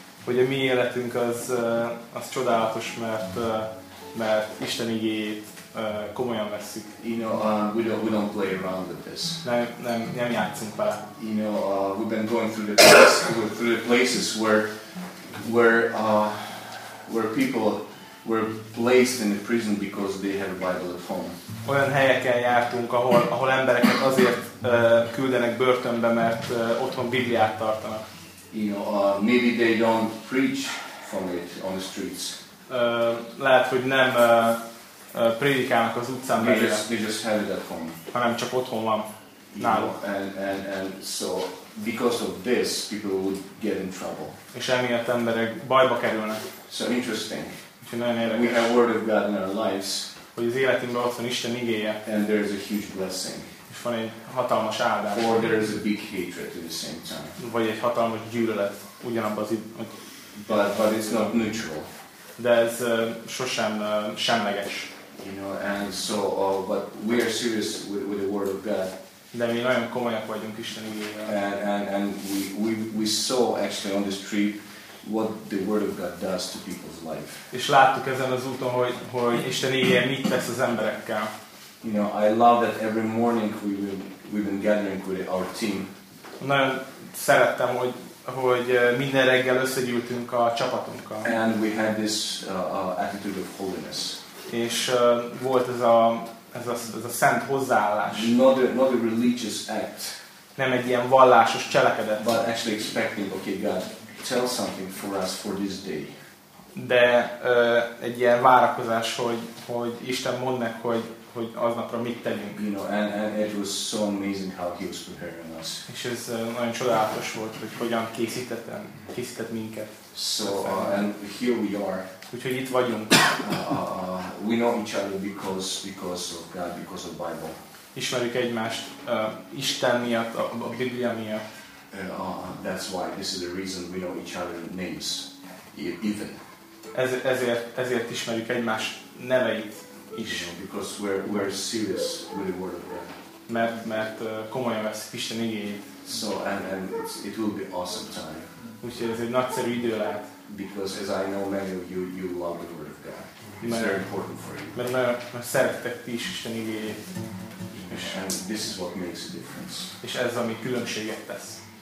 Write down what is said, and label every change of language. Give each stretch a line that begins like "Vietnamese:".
Hungarian: Hogy a mi életünk az csodálatos, mert Isten igéjét komolyan veszük.
English: You know, we don't play around with this.
Hungarian: Nem játszunk vele.
English: You know, we've been going through the places where people were placed in a prison because they had a Bible at home.
Hungarian: Olyan helyeken jártunk, ahol embereket azért küldenek börtönbe, mert otthon Bibliát tartanak.
English: You know, maybe they don't preach from it on the streets.
Hungarian: Lehet, hogy nem prédikálnak az utcán belőle.
English: They just have it at home.
Hungarian: Hanem csak otthon van náluk.
English: And so because of this, people would get in trouble.
Hungarian: És emiatt emberek bajba kerülnek.
English: So interesting.
Hungarian: Érdekes,
English: we have word of God in our lives.
Hungarian: Hogy az életünkben ott van Isten igéje.
English: And there is a huge blessing.
Hungarian: És van egy hatalmas áldás.
English: Or there is a big hatred at the same time.
Hungarian: Vagy egy hatalmas gyűlölet ugyanabban az időben.
English: But it's not neutral.
Hungarian: De ez sosem semleges.
English: You know, and so but we are serious with the word of God.
Hungarian: De mi nagyon komolyak vagyunk Isten igével.
English: And we saw actually on this trip what the word of God does to people's life.
Hungarian: És láttuk ezen az úton, hogy Isten igéje mit tesz az emberekkel.
English: You know, I love that every morning we've been gathering with our team.
Hungarian: Nagyon szerettem, hogy minden reggel összegyűltünk a csapatunkkal.
English: And we had this attitude of holiness.
Hungarian: És volt ez a szent hozzáállás.
English: Not a religious act.
Hungarian: Nem egy ilyen vallásos cselekedet.
English: But actually expecting, okay, God, tell something for us for this day.
Hungarian: De egy ilyen várakozás, hogy Isten mond meg, hogy aznapra mit tegyünk.
English: You know, and it was so amazing how he was preparing us.
Hungarian: És ez nagyon csodálatos volt, hogy hogyan készített minket.
English: So and here we are.
Hungarian: Úgyhogy itt vagyunk.
English: We know each other because of God, because of Bible.
Hungarian: Ismerjük egymást Isten miatt, a Biblia miatt.
English: That's why this is the reason we know each other's names even.
Hungarian: Ezért ismerjük egymást neveit is.
English: You know, because we're serious with the word of God.
Hungarian: Mert komolyan veszik Isten igényét.
English: So and it will be awesome time.
Hungarian: Úgyhogy ez egy nagyszerű idő lehet.
English: Because as I know many of you love the word of God. It's very important for you.
Hungarian: Mert szerettek ti is Isten igényét.
English: And this is what makes a difference.
Hungarian: És ez, ami különbséget tesz.